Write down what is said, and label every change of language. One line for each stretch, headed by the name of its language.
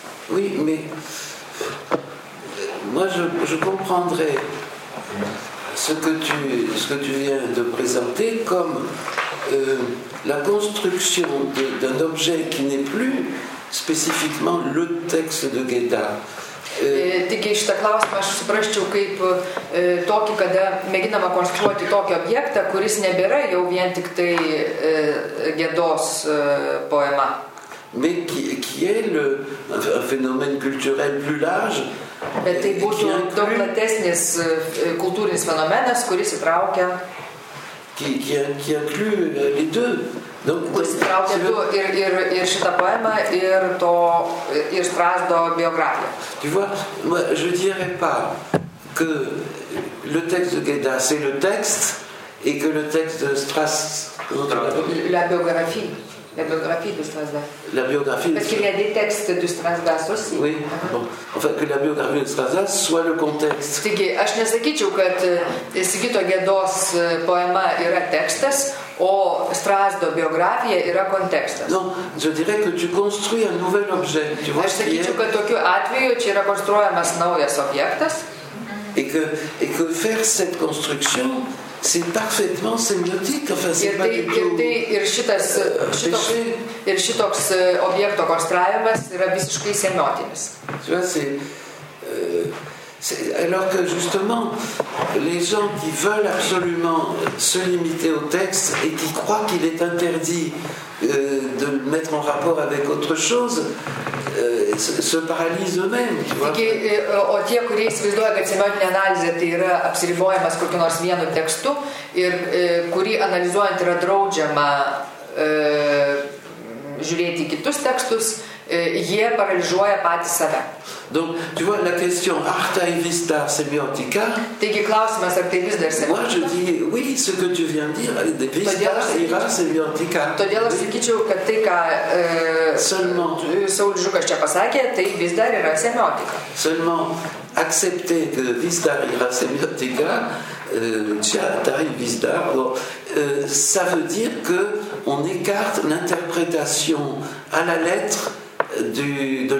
French: Oui, mais moi je comprendrais ce que tu viens de présenter comme la construction d'un objet qui n'est plus spécifiquement le texte de Geda.
Lithuanian: Taigi šitą klausimą aš suprasčiau kaip tokį, kada mėginama konstruoti tokį objektą, kuris nebėra jau vien tik tai Gedos poema.
French: Mais qui est un phénomène culturel plus large.
Lithuanian: Bet tai būtų daug platesnis kultūrinis fenomenas, kuris įtraukia
French: qui inclut les deux.
Lithuanian: Kuris įtraukia ir šitą poemą, ir Strazdo biografiją.
French: Tu vois, moi, je dirais pas que le texte de Geda, c'est le texte, et que le texte de Strazdo... La biographie de Strazdo. Parce qu'il y a des textes de Strazdo aussi. Oui, enfin, que la biographie de Strazdo soit le contexte.
Lithuanian: Taigi, aš nesakyčiau, kad Sigito Gedos poema yra tekstas, O Strazdo biografija yra kontekstas.
French: Non, je dirais que tu construis un nouvel objet. Tu
Lithuanian: vois, aš sakyčiau, kad tokiu atveju čia yra konstruojamas naujas objektas.
French: Et que faire cette construction, c'est parfaitement sémiotique. Enfin,
Lithuanian: ir šitoks objekto konstravimas yra visiškai semiotinis.
French: Tu vois, alors que justement les gens qui veulent absolument se limiter au texte et qui croient qu'il est interdit de le mettre en rapport avec autre chose se paralysent eux-mêmes
Lithuanian: o tie, kurie įsivaizduoja, kad semiotinė analizė tai yra apsiribojimas kokiu nors vienu tekstu ir kurį analizuojant yra draudžiama žiūrėti į kitus tekstus jie paralyžuoja patį save.
French: Donc, tu vois, la question art et vista semiotica.
Lithuanian: Taigi, klausimas, ar tai vis dar semiotika?
French: Moi, je dis, oui, ce que tu viens dire, de vista ira semiotica.
Lithuanian: Todėl aš sakyčiau, kad tai, ką Saulius Žukas čia pasakė, tai vis dar yra semiotika.
French: Seulement, accepter que vista ira semiotica, ça veut dire que on écarte l'interprétation à la lettre de